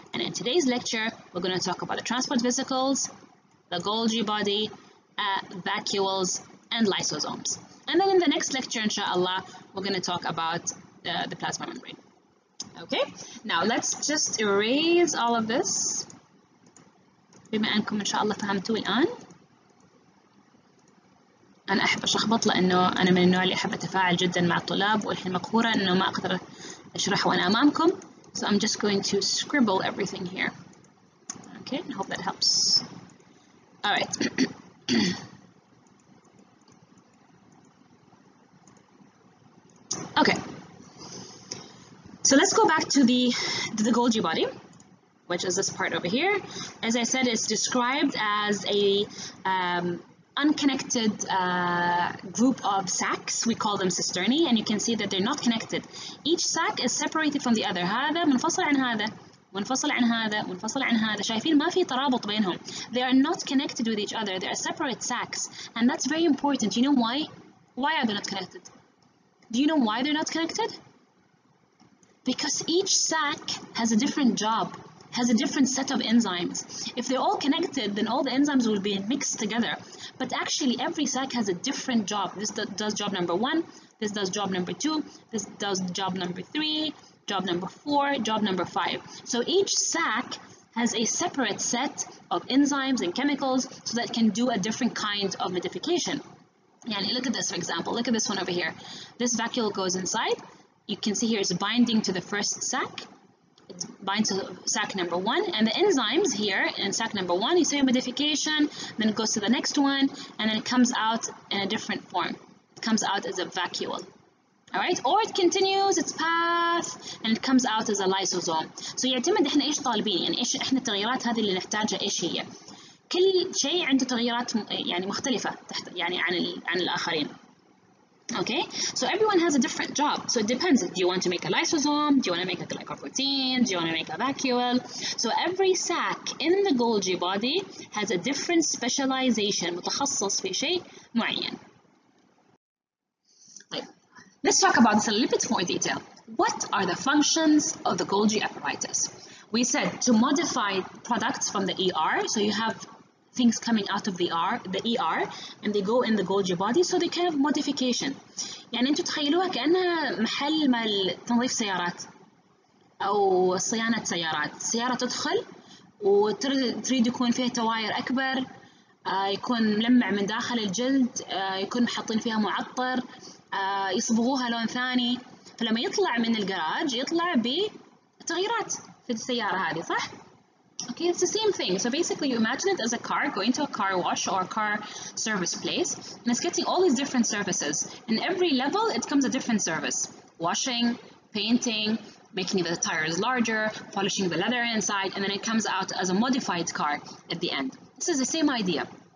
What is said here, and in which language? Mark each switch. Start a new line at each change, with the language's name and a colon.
English: And in today's lecture, we're going to talk about the transport vesicles, the Golgi body, vacuoles, and lysosomes. And then in the next lecture, inshallah, we're going to talk about the plasma membrane. Okay? Now, let's just erase all of this.
Arabic: بما أنكم إن شاء الله فهمتوا الآن. أنا أحب أشخبط لأنه أنا من النوع اللي أحب أتفاعل جدا مع الطلاب والحين مقهورة إنه ما أقدر أشرح وأنا أمامكم.
English: So I'm just going to scribble everything here. Okay, I hope that helps. All right. Okay. So let's go back to the Golgi body, which is this part over here. As I said, it's described as a unconnected group of sacs. We call them cisternae, and you can see that they're not connected. Each sac is separated from the other.
Arabic: هذا منفصل عن هذا, منفصل عن هذا, منفصل عن هذا. شايفين ما في ترابط بينهم.
English: They are not connected with each other. They are separate sacs, and that's very important. You know why? Why are they not connected? Do you know why they're not connected? Because each sac has a different job, has a different set of enzymes. If they're all connected, then all the enzymes will be mixed together. But actually, every sac has a different job. This does job number one, this does job number two, this does job number three, job number four, job number five. So each sac has a separate set of enzymes and chemicals so that it can do a different kind of modification. And look at this, for example, look at this one over here. This vacuole goes inside. You can see here it's binding to the first sac. It binds to sac number one, and the enzymes here in sac number one, you see a modification, then it goes to the next one, and then it comes out in a different form. It comes out as a vacuole. All right, or it continues its path and it comes out as a lysosome.
Arabic: So يعتمد إحنا إيش طالبين يعني إيش إحنا التغييرات هذه اللي نحتاجها إيش هي. كل شيء عنده تغييرات يعني مختلفة تحت يعني عن الآخرين.
English: Okay, so everyone has a different job. So it depends. Do you want to make a lysosome? Do you want to make a glycoprotein? Do you want to make a vacuole? So every sac in the Golgi body has a different specialization.
Arabic: متخصص في شيء معين.
English: Let's talk about this in a little bit more detail. What are the functions of the Golgi apparatus? We said to modify products from the ER, so you have things coming out of the ER, and they go in the Golgi body, so they kind of modification.
Arabic: يعني انتو تخيلوها كأنها محل مال تنظيف سيارات أو صيانة سيارات. سيارة تدخل وتريد يكون فيها تواير أكبر, يكون ملمع من داخل الجلد, يكون حاطين فيها معطر, يصبغوها لون ثاني. فلما يطلع من الجراج يطلع بتغييرات في السيارة هذه, صح؟
English: Okay, it's the same thing. So basically you imagine it as a car going to a car wash or a car service place, and it's getting all these different services. In every level it comes a different service: washing, painting, making the tires larger, polishing the leather inside, and then it comes out as a modified car at the end. This is the same idea.